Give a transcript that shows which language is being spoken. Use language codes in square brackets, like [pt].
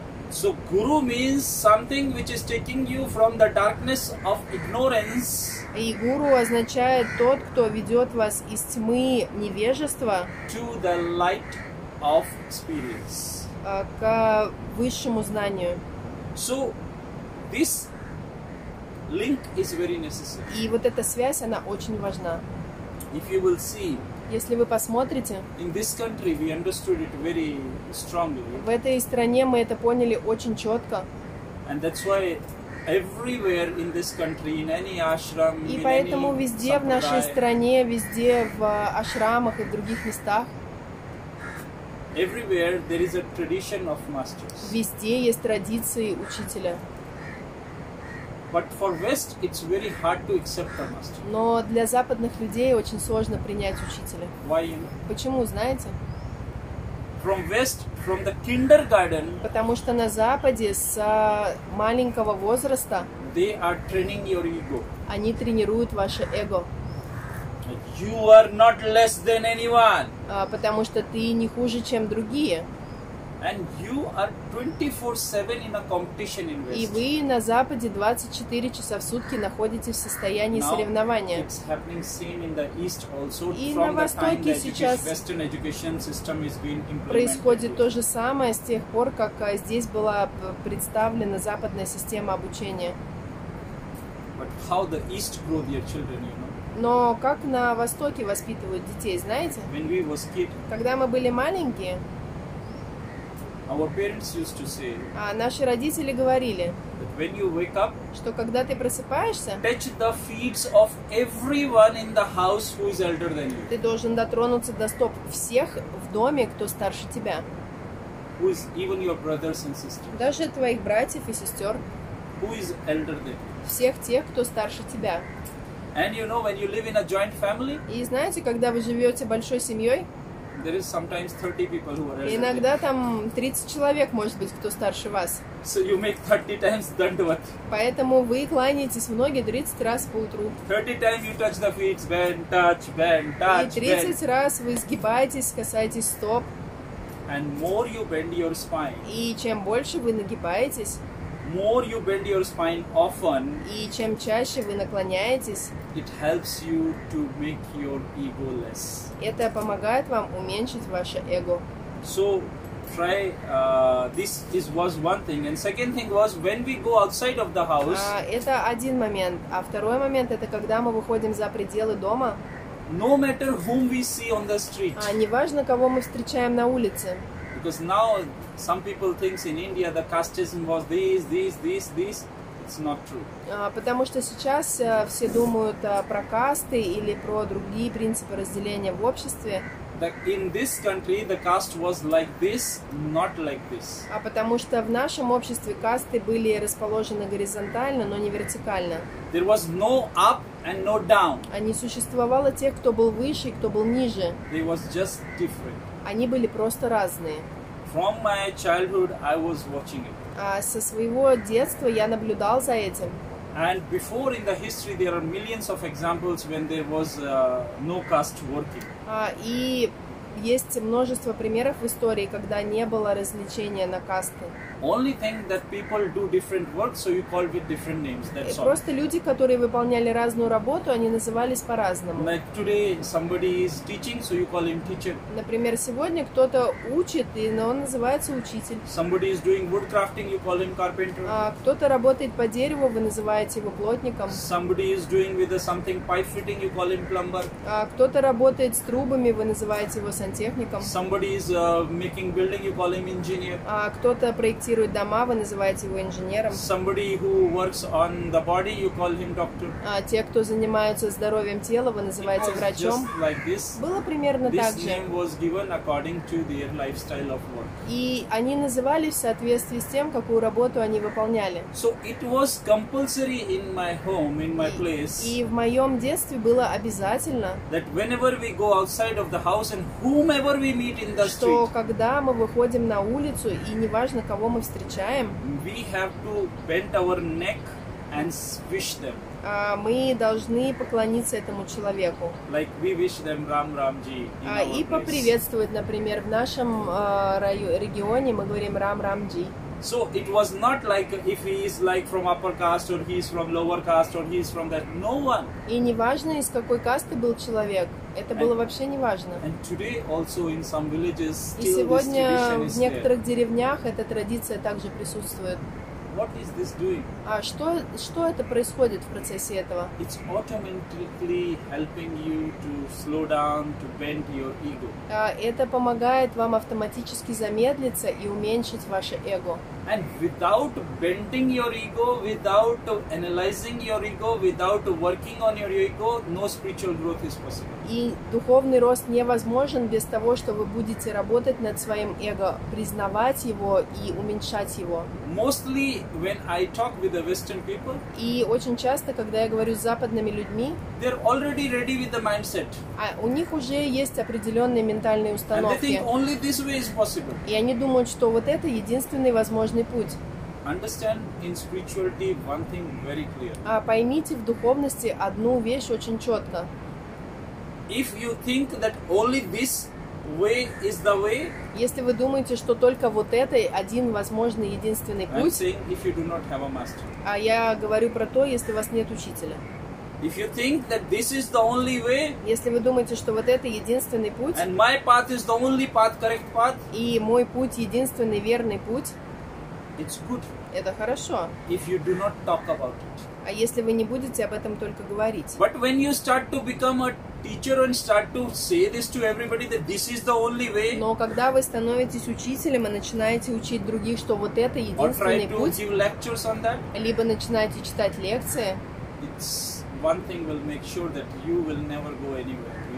[en] So guru means something which is taking you from the darkness of ignorance. [ru] И гуру означает тот, кто ведет вас из тьмы невежества [en] to the light of experience. [ru] К высшему знанию. [en] So this link is very necessary. [ru] И вот эта связь, она очень важна. [en] If you will see. [ru] Если вы посмотрите, [en] in this country we understood it very strongly. [ru] В этой стране мы это поняли очень четко. [en] And that's why everywhere in this country, in any ashram, [ru] и поэтому везде в нашей стране, везде в ашрамах и в других местах, [en] everywhere there is a tradition of masters. [ru] Везде есть традиции учителя. [en] But for West, it's very hard to accept a master. [ru] Но для западных людей очень сложно принять учителя. [en] Why, you know? [ru] Почему, знаете? [en] From West, from the kindergarten. [ru] Потому что на Западе с маленького возраста. [en] They are training your ego. [ru] Они тренируют ваше эго. [en] You are not less than anyone. [ru] Потому что ты не хуже, чем другие. [en] And you are 24/7 in a competition in West. [ru] И вы на Западе 24 часа в сутки находитесь в состоянии [en] Now, [ru] соревнования. [en] It's happening same in the East also. [ru] И [en] from [ru] на Востоке сейчас [en] Western education system is being implemented. [ru] Происходит то же самое с тех пор, как здесь была представлена западная система обучения. [en] But how the East grow their children, you know? [ru] Но как на Востоке воспитывают детей, знаете? [en] When we was kid, [ru] когда мы были маленькие, [en] our parents used to say, [ru] наши родители говорили, [en] that when you wake up, [ru] что когда ты просыпаешься, [en] touch the feet of everyone in the house who is older than you. [ru] Ты должен дотронуться до стоп всех в доме, кто старше тебя. [en] Who is even your brothers and sisters? [ru] Даже твоих братьев и сестер. [en] Who is elder than you? [ru] Всех тех, кто старше тебя. [en] And you know, when you live in a joint family, [ru] и знаете, когда вы живете большой семьей, [en] there is sometimes 30 people who are [ru] иногда там 30 человек, может быть, кто старше вас. [en] So you make 30 times dandavat. [ru] Поэтому вы кланяетесь в ноги 30 раз по утру. [en] 30 times you touch the feet, bend, touch, bend, touch, [ru] и 30 раз вы сгибаетесь, касаетесь стоп. [en] And more you bend your spine. [ru] И чем больше вы нагибаетесь, [en] more you bend your spine often, [ru] и чем чаще вы наклоняетесь, [en] it helps you to make your ego less. [ru] Это помогает вам уменьшить ваше эго. [en] So try this is was one thing, and second thing was when we go outside of the house. [ru] Это один момент, а второй момент — это когда мы выходим за пределы дома. [en] No matter whom we see on the street. [ru] Неважно, кого мы встречаем на улице. [en] Because now some people think in India the casteism was this. It's not true. [ru] Потому что сейчас все думают про касты или про другие принципы разделения в обществе. [en] In this country the caste was like this, not like this. [ru] Потому что в нашем обществе касты были расположены горизонтально, но не вертикально. [en] There was no up and no down. [ru] Не существовало тех, кто был выше и кто был ниже. [en] They was just different. [ru] Они были просто разные. [en] From my childhood, I was watching it. [ru] Со своего детства я наблюдал за этим. [en] And before in the history, there are millions of examples when there was no caste working. [ru] И есть множество примеров в истории, когда не было различения на касты. [en] Only thing that people do different work, so you call it different names. That's all. [ru] Просто люди, которые выполняли разную работу, они назывались по-разному. [en] Like today somebody is teaching, so you call him teacher. [ru] Например, сегодня кто-то учит, и он называется учитель. [en] Somebody is doing wood crafting, you call him carpenter. [ru] Кто-то работает по дереву, вы называете его плотником. [en] Somebody is doing with something pipe fitting, you call him plumber. [ru] Кто-то работает с трубами, вы называете его сантехником. [en] Somebody is making building, you call him engineer. [ru] Кто-то проектирует дома, вы называете его инженером. [en] Somebody who works on the body, you call him doctor. [ru] Те, кто занимаются здоровьем тела, вы называете врачом. [en] Like this. [ru] Было примерно [en] this [ru] так же. [en] This name was given according to their lifestyle of work. [ru] И они назывались в соответствии с тем, какую работу они выполняли. [en] So it was compulsory in my home, in my place. [ru] И в моем детстве было обязательно, [en] that whenever we go outside of the house and whomever we meet in the street, [ru] что когда мы выходим на улицу, и неважно, кого мы встречаем, [en] we have to bend our neck and wish them. [ru] Мы должны поклониться этому человеку. [en] Like we wish them Ram Ramji. [ru] И поприветствовать, например, в нашем регионе мы говорим Ram Ramji. [en] So it was not like if he is like from upper caste or he is from lower caste or he is from that. No one. [ru] И неважно, из какой касты был человек. Это было вообще неважно. [en] And today also in some villages, still [ru] и сегодня [en] this tradition is [ru] в некоторых [en] there. [ru] Деревнях эта традиция также присутствует. [en] What is this doing? [ru] Что это происходит в процессе этого? [en] It's automatically helping you to slow down, to bend your ego. [ru] Это помогает вам автоматически замедлиться и уменьшить ваше эго. [en] And without bending your ego, without analyzing your ego, without working on your ego, no spiritual growth is possible. [ru] И духовный рост невозможен без того, что вы будете работать над своим эго, признавать его и уменьшать его. [en] Mostly when I talk with the Western people, [ru] и очень часто, когда я говорю с западными людьми, [en] they're already ready with the mindset. [ru] У них уже есть определенные ментальные установки. [en] And they think only this way is possible. [ru] И они думают, что вот это единственный возможный путь. [en] Understand in spirituality one thing very clear. [ru] Поймите в духовности одну вещь очень четко. [en] If you think that only this way is the way, [ru] если вы думаете, что только вот это один возможный единственный путь, [en] I'm saying if you do not have a master. [ru] Я говорю про то, если у вас нет учителя. [en] If you think that this is the only way, [ru] если вы думаете, что вот это единственный путь, [en] and my path is the only path, correct path, [ru] и мой путь единственный верный путь, [en] it's good. [ru] Это хорошо. [en] If you do not talk about it. [ru] А если вы не будете об этом только говорить? [en] But when you start to become a teacher and start to say this to everybody that this is the only way. [ru] Но когда вы становитесь учителем и начинаете учить других, что вот это единственный путь. [en] Or try to give lectures on that. [ru] Либо начинаете читать лекции. [en] It's one thing will make sure that you will never go anywhere.